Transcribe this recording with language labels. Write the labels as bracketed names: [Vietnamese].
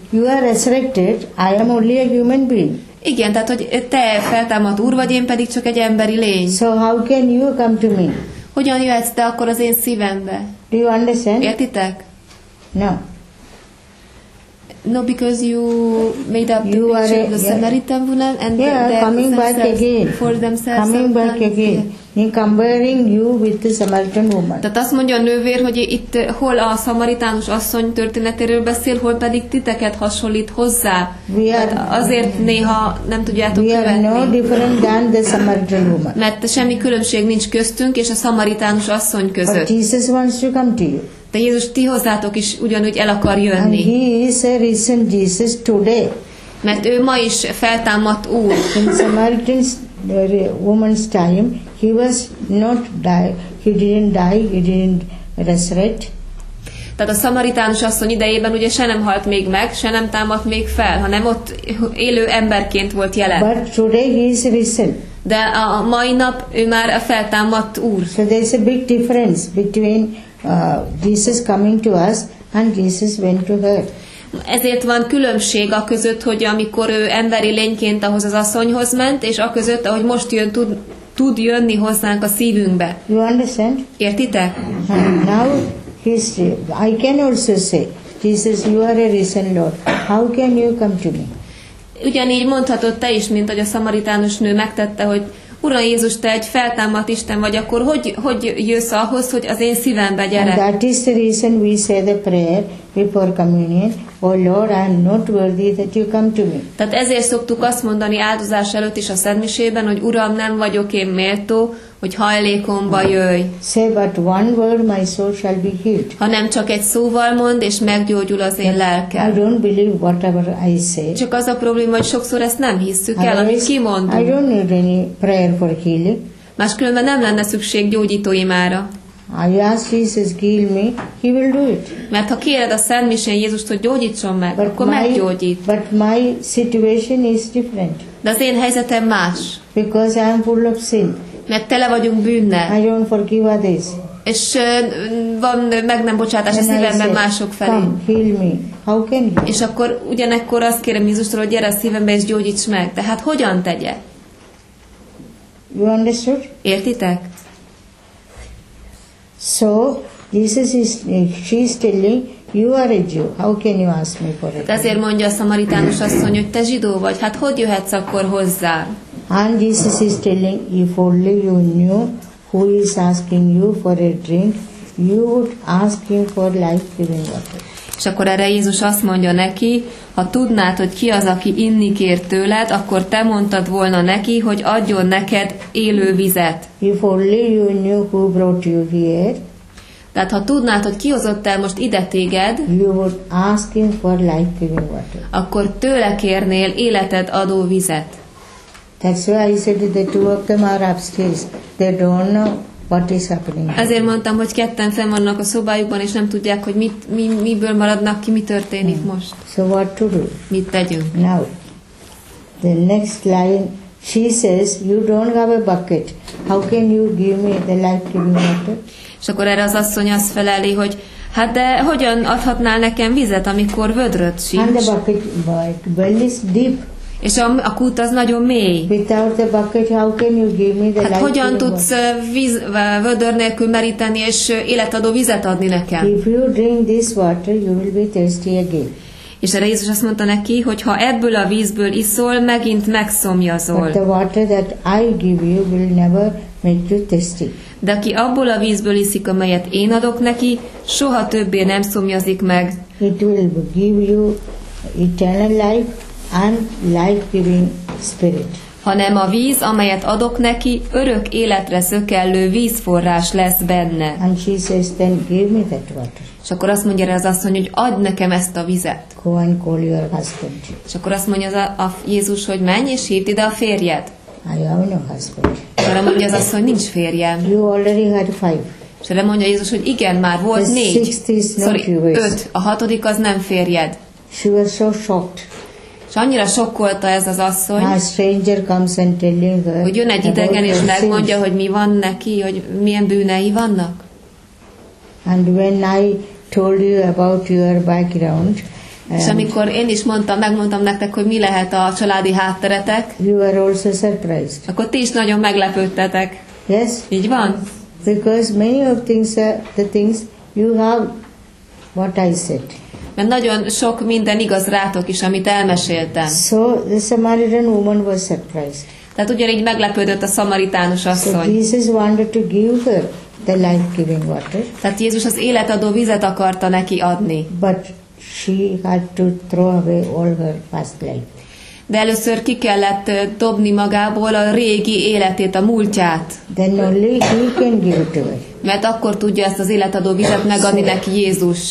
[English] You are resurrected, I am only a human being. [Hungarian] Igen, tehát hogy te feltámadt Úr vagy, én pedig csak egy emberi lény. [English] So how can you come to me? [Hungarian] Hogyan jöhetsz te akkor az én szívembe? [English] Do you understand? [Hungarian] Értitek? [English] No. No, because you made up you the picture of the Samaritan woman and coming back again. For themselves. Coming back again. In comparing you with the Samaritan woman. [Hungarian] Tehát azt mondja a nővér, hogy itt hol a szamaritánus asszony történetéről beszél, hol pedig titeket hasonlít hozzá. [English] We are, [Hungarian] azért néha nem tudjátok követni. [English] We are no different than the Samaritan woman. [Hungarian] Mert semmi különbség nincs köztünk és a szamaritánus asszony között. [English] But Jesus wants to come to you. [Hungarian] De Jézus, ti hozzátok is ugyanúgy el akar jönni. [English] And he is a risen Jesus today. [Hungarian] Mert ő ma is feltámadt Úr. [English] In Samaritan woman's time, he was not die, he didn't resurrect. [Hungarian] Tehát a szamaritánus asszony idejében ugye se nem halt még meg, se nem támadt még fel, hanem ott élő emberként volt jelen. [English] But today he is risen. [Hungarian] De a mai nap ő már a feltámadt Úr. [English] So there is a big difference between Jesus coming to us and Jesus went to her. [Hungarian] Ezért van különbség a között, hogy amikor ő emberi lényként ahhoz az asszonyhoz ment, és a között, ahogy most jön, tud jönni hozzánk a szívünkbe. [English] You understand? [Hungarian] Értitek? [English] Now he's, I can also say, Jesus, you are a risen Lord. How can you come to me? [Hungarian] Ugyanígy mondhatod te is, mint hogy a szamaritánus nő megtette, hogy Uram Jézus, te egy feltámadt Isten vagy, akkor hogy jössz ahhoz, hogy az én szívembe gyere? [English] And that is the reason we say the prayer before communion. Oh Lord, I am not worthy that you come to me. [Hungarian] Tehát ezért szoktuk azt mondani áldozás előtt is a szentmisében, hogy Uram, nem vagyok én méltó, hogy hajlékomba jöjj. [English] Say but one word, my soul shall be healed. [Hungarian] Ha nem csak egy szóval mond, és meggyógyul az én lelkem. [English] I don't believe whatever I say. [Hungarian] Csak az a probléma, hogy sokszor ezt nem hisszük el, amit kimondunk. [English] I don't need any prayer for healing. [Hungarian] Máskülönben nem lenne szükség gyógyító imára. [English] I ask Jesus, heal me, he will do it. [Hungarian] Mert ha kéred a Szent Misén Jézust, hogy gyógyítson meg, but akkor meggyógyít. [English] But my situation is different. [Hungarian] De az én helyzetem más. [English] Because I am full of sin. [Hungarian] Mert tele vagyunk bűnnel. [English] I don't forgive others. [Hungarian] És van meg nem bocsátás a szívemben mások felé. [English] Come, heal me. How can you? [Hungarian] És akkor ugyanekkor azt kérem Jézustól, hogy gyere a szívembe és gyógyíts meg. Tehát hogyan tegye? [English] You understood? [Hungarian] Értitek? [English] So, Jesus is, she is telling, you are a Jew. How can you ask me for it? [Hungarian] Ezért mondja a szamaritánus asszony, hogy te zsidó vagy. Hát hogy jöhetsz akkor hozzá? [English] And Jesus is telling, if only you knew who is asking you for a drink, you would ask him for life-giving water. [Hungarian] És akkor erre Jézus azt mondja neki, ha tudnád, hogy ki az, aki inni kér tőled, akkor te mondtad volna neki, hogy adjon neked élő vizet. [English] If only you knew who brought you here, [Hungarian] tehát ha tudnád, hogy ki hozott el most ide téged, [English] you would ask him for life-giving water. [Hungarian] Akkor tőle kérnél életed adó vizet. [English] That's why I said the two of them are upstairs. They don't know what is happening. [Hungarian] Azért mondtam, hogy ketten fenn vannak a szobájukban, és nem tudják, hogy miből maradnak ki, mi történik most. [English] So what to do? [Hungarian] Mit tegyünk? [English] Now, the next line, she says, you don't have a bucket. How can you give me the life-giving water? [Hungarian] És akkor erre az asszony azt feleli, hogy hát de hogyan adhatnál nekem vizet, amikor vödröt sincs? [English] And the bucket, well, is deep. [Hungarian] És a kút az nagyon mély. [English] Without the bucket, how can you give me the [Hungarian] hát hogyan tudsz vödör nélkül meríteni és életadó vizet adni nekem? [English] If you drink this water, you will be thirsty again. [Hungarian] És erre Jézus azt mondta neki, hogy ha ebből a vízből iszol, megint megszomjazol. [English] But the water that I give you will never make you thirsty. [Hungarian] De aki abból a vízből iszik, amelyet én adok neki, soha többé nem szomjazik meg. [English] It will give you eternal life. And life-giving spirit. [Hungarian] Hanem a víz, amelyet adok neki, örök életre szökellő vízforrás lesz benne. [English] And she says, then give me that water. [Hungarian] És akkor azt mondja az asszony, hogy add nekem ezt a vizet. [English] Go and call your husband. [Hungarian] És akkor azt mondja a Jézus, hogy menj és hívd ide a férjed. [English] I have no husband. [Hungarian] És erre mondja az asszony, nincs férjem. [English] You already had five. [Hungarian] És erre mondja Jézus, hogy igen, már volt [English] the [Hungarian] négy. [English] Sorry, [Hungarian] öt. A hatodik az nem férjed. [English] She was so shocked. [Hungarian] És annyira sokkolta ez az asszony, [English] a stranger comes and telling her, [Hungarian] hogy jön egy idegen és megmondja, hogy mi van neki, hogy milyen bűnei vannak. [English] And when I told you about your background, [Hungarian] és amikor én is megmondtam nektek, hogy mi lehet a családi hátteretek, [English] you were also surprised. [Hungarian] Akkor ti is nagyon meglepődtetek. [English] Yes. [Hungarian] Így van? [English] Because many of the things you have, what I said. [Hungarian] Mert nagyon sok minden igaz rátok is, amit elmeséltem. [English] So the Samaritan woman was surprised. [Hungarian] Tehát ugyanígy meglepődött a szamaritánus asszony. [English] So Jesus wanted to give her the life-giving water. [Hungarian] Tehát Jézus az életadó vizet akarta neki adni. [English] But she had to throw away all her past life. [Hungarian] De először ki kellett dobni magából a régi életét, a múltját. [English] Then only he can give it to her. [Hungarian] Mert akkor tudja ezt az életadó vizet megadni neki Jézus.